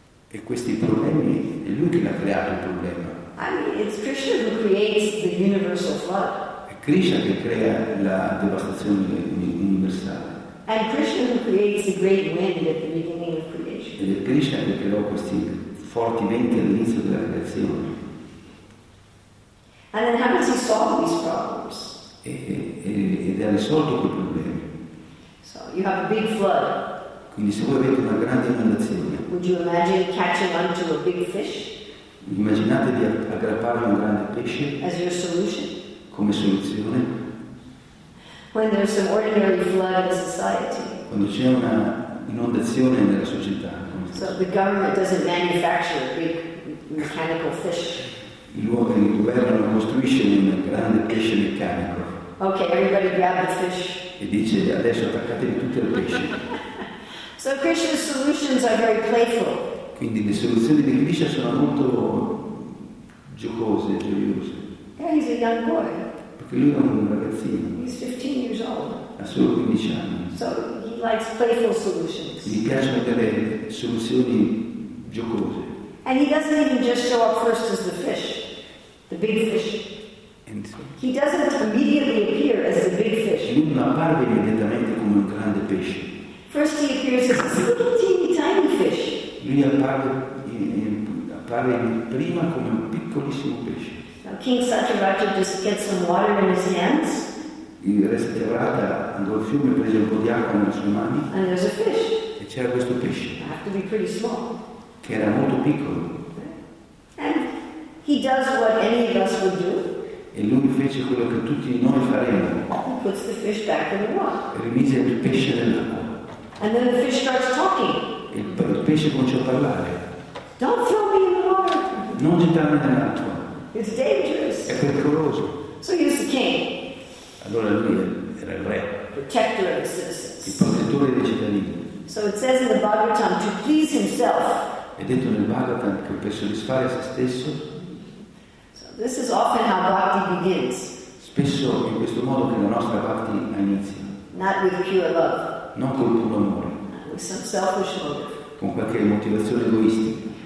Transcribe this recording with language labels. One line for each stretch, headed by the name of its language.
Italian: E questi problemi, è lui che l'ha creato il problema.
English: I mean, it's Krishna who creates the universal flood.
Italian: È Krishna che crea la devastazione universale.
English: And Krishna who creates the great wind at the beginning of creation.
Italian: Ed è Krishna che creò questi forti venti all'inizio della creazione.
English: And then how does he solve these problems?
Italian: Ed ha risolto quei problemi.
English: You have a big flood.
Italian: Quindi se voi avete una grande inondazione.
English: Would you imagine catching onto a big fish?
Italian: Immaginate di aggrapparvi a un grande pesce.
English: As your solution.
Italian: Come soluzione.
English: When there's some ordinary flood in society.
Italian: Quando c'è una inondazione nella società.
English: So the government doesn't manufacture a big mechanical fish.
Italian: Il governo non costruisce un grande pesce meccanico.
English: Okay, everybody grab the fish.
Italian: E dice adesso attaccatevi tutti al pesce.
English: So Krishna's solutions are very playful.
Italian: Quindi le soluzioni di Krishna sono molto giocose, gioiose.
English: Yeah, he's a young boy.
Italian: Perché lui è un ragazzino.
English: He's 15 years old.
Italian: Ha solo 15 anni.
English: So he likes playful solutions.
Italian: Gli piacciono delle soluzioni giocose.
English: And he doesn't even just show up first as the fish, the big fish. He doesn't immediately appear as a big fish.
Italian: Lui non apparve immediatamente come un grande pesce.
English: First he appears as a little teeny tiny fish.
Italian: Lui apparve prima come un piccolissimo pesce.
English: Now King Satyavrata just gets some water in his hands.
Italian: Il re Satyavrata andò al fiume e prese un po' di acqua nelle sue mani.
English: And there's a fish.
Italian: E c'era questo pesce.
English: I have to be pretty small.
Italian: Che era molto piccolo.
English: And he does what any of us would do.
Italian: E lui fece quello che tutti noi faremo.
English: He puts the fish back in the water.
Italian: Rimise il pesce nell'acqua.
English: And then the fish starts talking.
Italian: Il pesce cominciò a parlare.
English: Don't throw me in the water.
Italian: Non gettarmi nell'acqua.
English: It's dangerous.
Italian: È pericoloso.
English: So he's the king.
Italian: Allora lui era il re.
English: Protector of citizens.
Italian: Il protettore dei cittadini.
English: So it says in the Bhagavatam to please himself.
Italian: È detto nel Bhagavatam che per soddisfare se stesso.
English: This is often how bhakti begins.
Italian: Spesso in questo modo che la nostra bhakti inizia.
English: Not with pure love.
Italian: Non con puro amore.
English: With some selfish motive.
Italian: Con qualche motivazione egoistica.